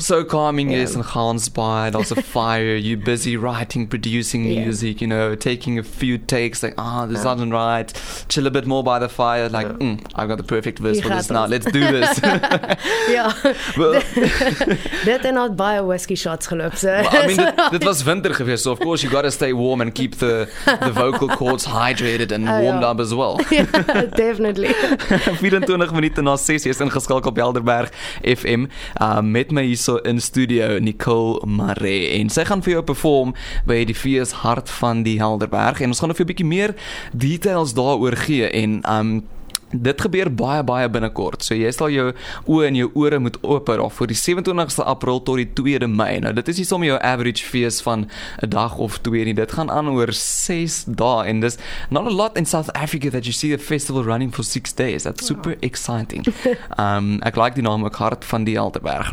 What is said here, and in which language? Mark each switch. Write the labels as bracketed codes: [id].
[en] So calming, yeah. Yes, and Gansbaai, there's a fire, you're busy writing, producing music, yeah. You know, taking a few takes, like, this isn't right, chill a bit more by the fire, like, I've got the perfect verse for this now, let's do this. [af] Yeah. Dit en al baie whiskey shots geloop, so. [en] Well, I mean, [af] dit was winter gewees, [en] so of course you gotta stay warm and keep the vocal cords hydrated and warmed up as well. Yeah, definitely. [af] 20 minute na 6 is ingeskakel op Helderberg FM met my hierso in studio Nicole Maree en sy gaan vir jou perform by die fees Hart van die Helderberg en ons gaan nou vir jou 'n bietjie meer details daaroor gee en dit gebeur baie, baie binnenkort. So jy sal jou oë en jou ore moet open of voor die 27ste April tot die 2 Mei. Nou, dit is nie sommer jou average feest van 'n dag of twee nie. Dit gaan aan oor 6 dae. En dis [en] not a lot in South Africa that you see a festival running for 6 days. That's super exciting. [af] Ek like die naam ook Hart van die Helderberg.